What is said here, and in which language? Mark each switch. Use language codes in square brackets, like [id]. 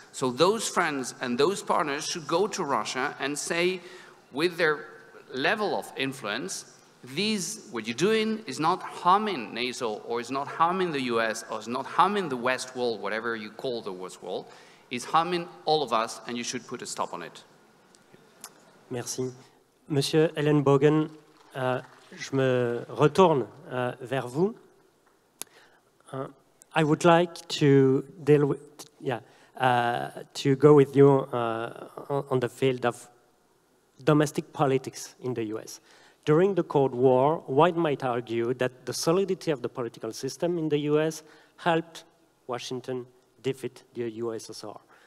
[en] So those friends and those partners should go to Russia and say, with their level of influence, these, what you're doing is not harming NATO, or is not harming the US, or is not harming the West world, whatever you call the West world, is harming all of us, and you should put a stop on it. [fr] Merci. Monsieur Ellen Bogen, je me retourne vers vous. [en] I would like to deal with, to go with you on the field of domestic politics in the US. During the Cold War, one might argue that the solidity of the political system in the US helped Washington defeat the USSR.